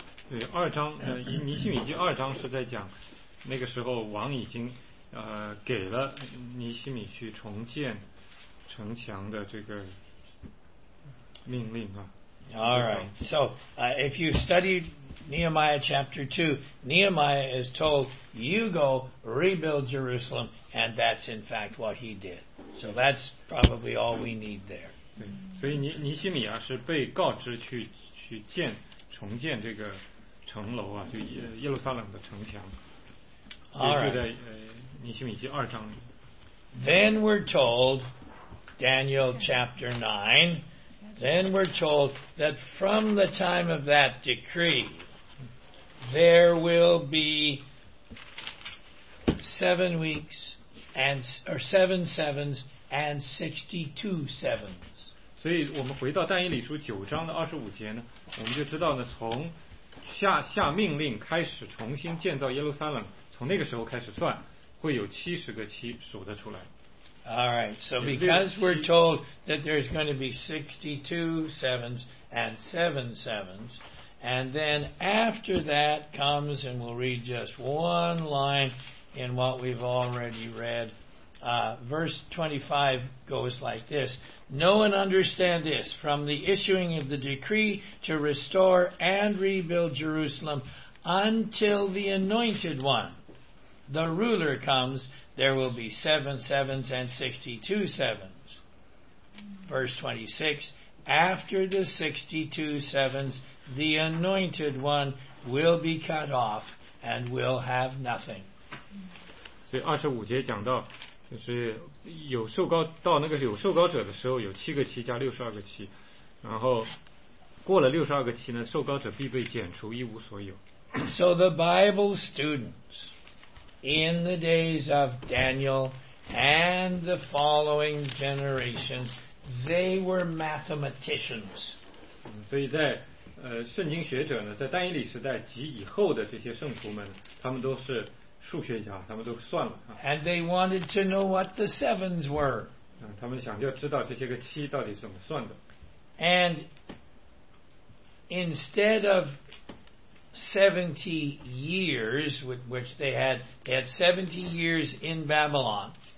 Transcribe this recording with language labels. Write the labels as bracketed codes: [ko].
[zh] 对，二章，尼希米记二章是在讲那个时候王已经给了尼希米去重建城墙的这个命令啊。 [en] All right. So, if you study Nehemiah chapter 2, Nehemiah is told, you go rebuild Jerusalem, and that's in fact what he did. So that's probably all we need there. [zh] 对，所以尼希米啊是被告知去建重建这个城楼啊，就耶路撒冷的城墙。 [en] All right. [zh] 在尼希米记二章。 [en] Then we're told, Daniel chapter 9, then we're told that from the time of that decree, there will be 7 weeks, or 7 sevens, and 62 sevens. [zh] 所以我们回到但以理书九章的二十五节呢，我们就知道呢，从下命令开始重新建造耶路撒冷，从那个时候开始算。会有七十个七数得出来。 [en] All right, so because we're told that there's going to be 62 sevens and 7 sevens, and then after that comes, and we'll read just one line in what we've already read, verse 25 goes like this. No one understand this. From the issuing of the decree to restore and rebuild Jerusalem until the anointed one, the ruler, comes, there will be 7 sevens and 62 sevens. Verse 26, after the 62 sevens, the anointed one will be cut off and will have nothing. [zh] 25节讲到, 就是有受膏到那个有受膏者的时候，有七个期加六十二个期，然后过了六十二个期呢，受膏者必被剪除，一无所有。 [en] So the Bible students in the days of Daniel and the following generations, they were mathematicians. [zh] 所以在圣经学者呢，在但以理时代及以后的这些圣徒们，他们都是。数学家，他们都算了啊。 [en] And they wanted to know what the sevens were. [zh] 他们想要知道这些个七到底怎么算的。 [en] And instead of 70 years, which they had 70 years in Babylon.